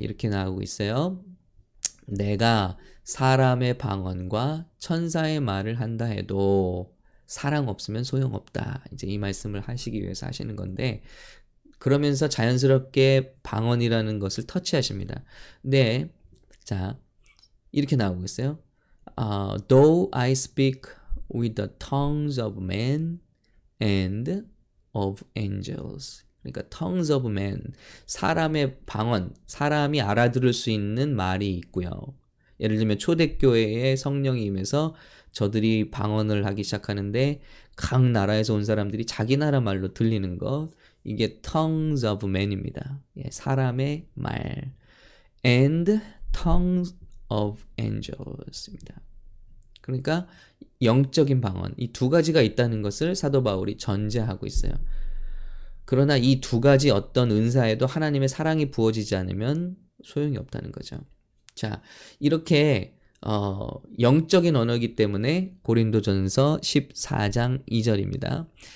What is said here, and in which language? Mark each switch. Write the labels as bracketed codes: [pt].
[ko] 이렇게 나오고 있어요. 내가 사람의 방언과 천사의 말을 한다 해도 사랑 없으면 소용없다. 이제 이 말씀을 하시기 위해서 하시는 건데, 그러면서 자연스럽게 방언이라는 것을 터치하십니다. 네. 자, 이렇게 나오고 있어요. [en] Though I speak with the tongues of men and of angels. [ko] 그러니까 [en] tongues of men, [ko] 사람의 방언, 사람이 알아들을 수 있는 말이 있고요. 예를 들면 초대교회에 성령이 임해서 저들이 방언을 하기 시작하는데 각 나라에서 온 사람들이 자기 나라 말로 들리는 것, 이게 [en] tongues of men [ko] 입니다. 예, 사람의 말. [en] And tongues of angels입니다. [ko] 그러니까 영적인 방언, 이두 가지가 있다는 것을 사도 바울이 전제하고 있어요. 그러나 이두 가지 어떤 은사에도 하나님의 사랑이 부어지지 않으면 소용이 없다는 거죠. 자, 이렇게 영적인 언어이기 때문에 고린도전서 14장 2절입니다.